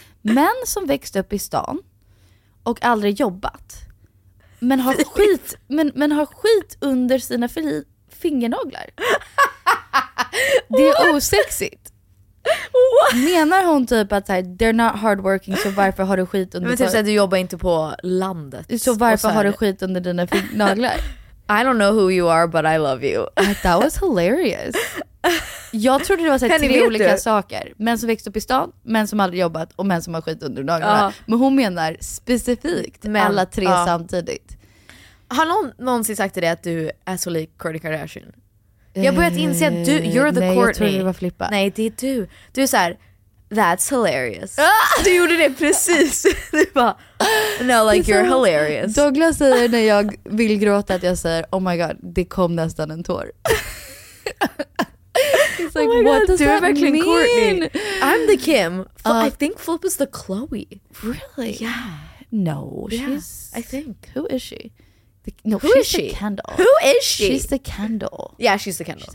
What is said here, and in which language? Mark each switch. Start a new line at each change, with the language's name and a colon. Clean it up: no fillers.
Swedish: Män som växt upp i stan och aldrig jobbat, men har skit, men har skit under sina fingernaglar. Det är osexigt.
English: What?
Swedish: Menar hon typ att så här,
English: they're not hardworking,
Swedish: så varför har du skit under... Men typ såhär, du jobbar inte på landet. Så varför har du skit under dina naglar?
English: I don't know who you are, but I love you. That was hilarious.
Swedish: Jag trodde det var såhär, tre olika saker. Män som växt upp i stan, män som aldrig jobbat och män som har skit under naglarna. Men hon menar specifikt alla tre samtidigt. Har någon någonsin sagt till dig att du är så lik Kourtney Kardashian? Jag börjat inse att du,
English: you're the
Swedish: Nej, Kourtney. Jag tror du var Flippa. Nej, det är du. Du är såhär,
English: that's hilarious.
Swedish: Du gjorde det precis. Du bara,
English: no, like you're hilarious.
Swedish: Douglas säger när jag vill gråta att jag säger,
English: oh my god,
Swedish: det kom nästan en tår.
English: It's like, oh my god, what does that mean? Kourtney. I'm the Kim. I think Flip is the Chloe. Really? Yeah. No, she's... I think. Who is she? Who is she? The Kendall. Who is she? She's the Kendall. Yeah, she's the Kendall.